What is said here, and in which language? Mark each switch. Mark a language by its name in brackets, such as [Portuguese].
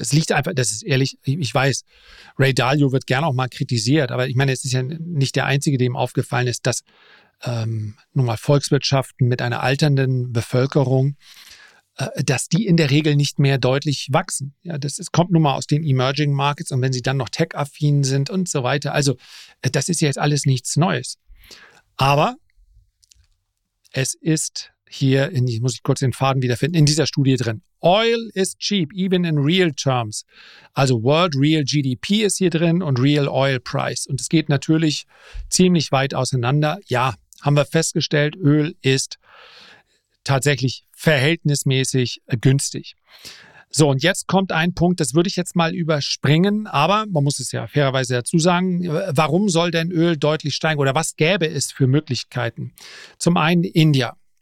[German] Es liegt einfach, das ist ehrlich, ich weiß, Ray Dalio wird gerne auch mal kritisiert, aber ich meine, es ist ja nicht der Einzige, dem aufgefallen ist, dass nun mal Volkswirtschaften mit einer alternden Bevölkerung, dass die in der Regel nicht mehr deutlich wachsen. Ja, es kommt nun mal aus den Emerging Markets und wenn sie dann noch tech-affin sind und so weiter. Also das ist jetzt alles nichts Neues. Aber es ist hier, muss ich kurz den Faden wiederfinden, in dieser Studie drin. [English] Oil is cheap, even in real terms. [German] Also World Real GDP ist hier drin und Real Oil Price. Und es geht natürlich ziemlich weit auseinander. Ja, haben wir festgestellt, Öl ist tatsächlich verhältnismäßig günstig. So, und jetzt kommt ein Punkt, das würde ich jetzt mal überspringen, aber man muss es ja fairerweise dazu sagen, warum soll denn Öl deutlich steigen oder was gäbe es für Möglichkeiten? Zum einen India.